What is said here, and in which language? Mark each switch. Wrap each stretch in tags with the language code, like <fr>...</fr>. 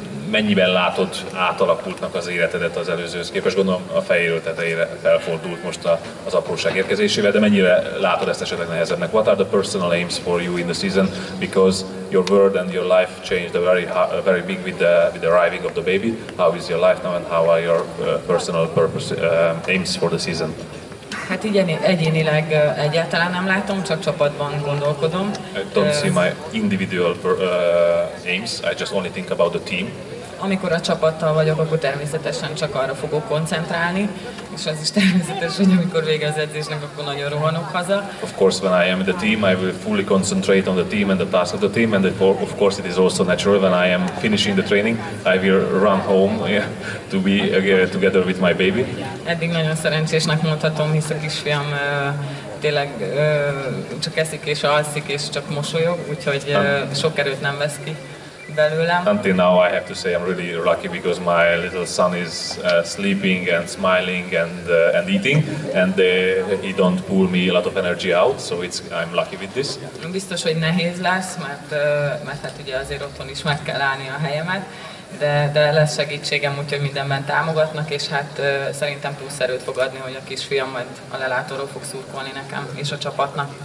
<hu>Mennyiben látod átalakultnak az életedet az előzőhöz képest? Gondolom a fejéről tetejére felfordult most az apróság érkezésével, de mennyire látod ezt esetleg nehezebbnek?</hu> <en>What are the personal aims for you in the season? Because your world and your life changed very big with the arriving of the baby. How is your life now and how are your personal aims for the season?</en> <hu>Hát igen, egyénileg egyáltalán nem látom, csak csapatban gondolkodom.</hu> <en>I don't see my individual aims, I just only think about the team.</en> <hu>Amikor a csapattal vagyok, akkor természetesen csak arra fogok koncentrálni, és az is természetes, hogy amikor vége az edzésnek, akkor nagyon rohanok haza.</hu> <en>Of course, when I am in the team, I will fully concentrate on the team and the task of the team, and of course it is also natural when I am finishing the training, I will run home to be together with my baby.</en> <hu>Eddig nagyon szerencsésnek mondhatom, hisz a kisfiam tényleg csak eszik és alszik és csak mosolyog, úgyhogy sok erőt nem vesz ki.</hu> <en>Until now I have to say I'm really lucky because my little son is sleeping and smiling and eating and he don't pull me a lot of energy out, so I'm lucky with this.</en> <hu>Biztos, hogy nehéz lesz, mert hát ugye azért otthon is meg kell állni a helyemet, de lesz segítségem, úgyhogy mindenben támogatnak, és hát szerintem plusz erőt fog adni, hogy a kisfiam majd a lelátóról fog szurkolni nekem és a csapatnak.</hu>